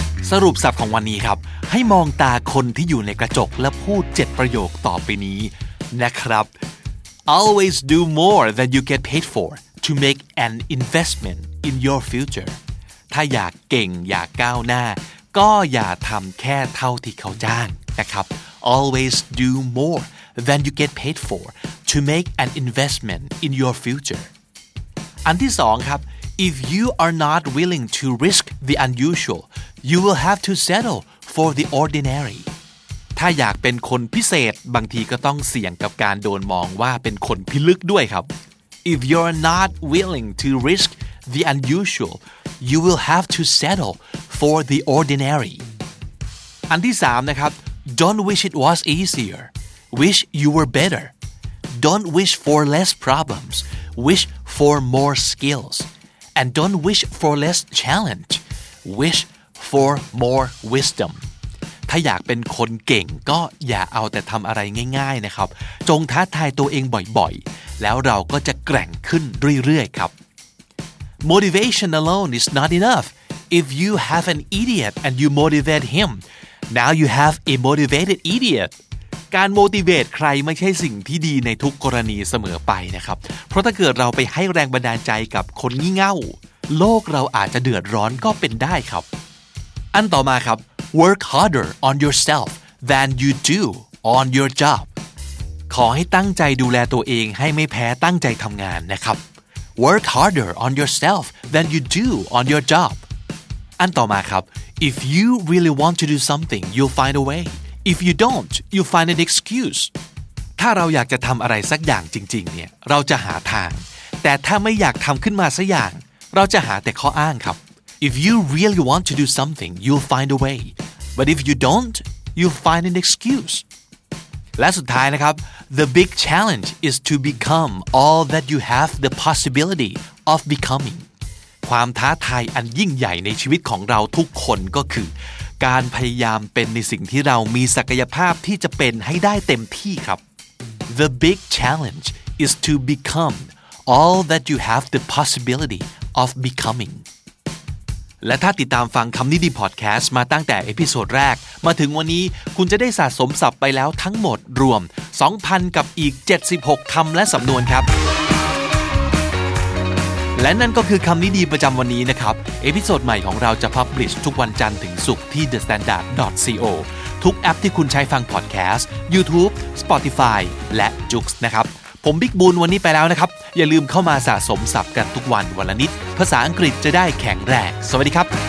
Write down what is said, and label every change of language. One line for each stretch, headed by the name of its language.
Thai: สรุปศัพท์ของวันนี้ครับให้มองตาคนที่อยู่ในกระจกและพูด7ประโยคต่อไปนี้นะครับ
English: Always do more than you get paid for to make an investment in your future
Thai: ถ้าอยากเก่งอยากก้าวหน้าก็อย่าทำแค่เท่าที่เขาจ้างนะครับ
English: Always do moreThen you get paid for to make an investment in your future.
Thai: อันที่สองครับ
English: If you are not willing to risk the unusual, you will have to settle for the ordinary.
Thai: ถ้าอยากเป็นคนพิเศษบางทีก็ต้องเสี่ยงกับการโดนมองว่าเป็นคนพิลึกด้วยครับ
English: If you're not willing to risk the unusual, you will have to settle for the ordinary.
Thai: อันที่สามนะครับ
English: Don't wish it was easier. Wish you were better. Don't wish for less problems. Wish for more skills. And don't wish for less challenge. Wish for more wisdom.
Thai: ถ้าอยากเป็นคนเก่งก็อย่าเอาแต่ทำอะไรง่ายๆนะครับจงท้าทายตัวเองบ่อยๆแล้วเราก็จะแกร่งขึ้นเรื่อยๆครับ
English: Motivation alone is not enough. If you have an idiot and you motivate him, now you have a motivated idiot.
Thai: การโมติเวตใครไม่ใช่สิ่งที่ดีในทุกกรณีเสมอไปนะครับเพราะถ้าเกิดเราไปให้แรงบันดาลใจกับคนงี่เง่าโลกเราอาจจะเดือดร้อนก็เป็นได้ครับอันต่อมาครับ
English: work harder on yourself than you do on your job
Thai: ขอให้ตั้งใจดูแลตัวเองให้ไม่แพ้ตั้งใจทำงานนะครับ
English: work harder on yourself than you do on your job
Thai: อันต่อมาครับ
English: if you really want to do something you'll find a wayIf you don't, you'll find an excuse.
Thai: ถ้าเราอยากจะทำอะไรสักอย่างจริงๆเนี่ยเราจะหาทางแต่ถ้าไม่อยากทำขึ้นมาสักอย่างเราจะหาแต่ข้ออ้างครับ
English: If you really want to do something, you'll find a way. But if you don't, you'll find an excuse.
Thai: และสุดท้ายนะครับ
English: The big challenge is to become all that you have the possibility of becoming.
Thai: ความท้าทายอันยิ่งใหญ่ในชีวิตของเราทุกคนก็คือการพยายามเป็นในสิ่งที่เรามีศักยภาพที่จะเป็นให้ได้เต็มที่ครับ
English: The big challenge is to become all that you have the possibility of becoming
Thai: และถ้าติดตามฟังคำนี้ดีพอดแคสต์มาตั้งแต่เอพิโซดแรกมาถึงวันนี้คุณจะได้สะสมศัพท์ไปแล้วทั้งหมดรวม 2,000 กับอีก76คำและสำนวนครับ และนั่นก็คือคำนี้ดีประจำวันนี้นะครับเอพิโซดใหม่ของเราจะพับลิชทุกวันจันทร์ถึงศุกร์ที่ thestandard.co ทุกแอปที่คุณใช้ฟังพอดแคสต์ YouTube Spotify และ Joox นะครับผมบิ๊กบูนวันนี้ไปแล้วนะครับอย่าลืมเข้ามาสะสมศัพท์กันทุกวันวันละนิดภาษาอังกฤษจะได้แข็งแรงสวัสดีครับ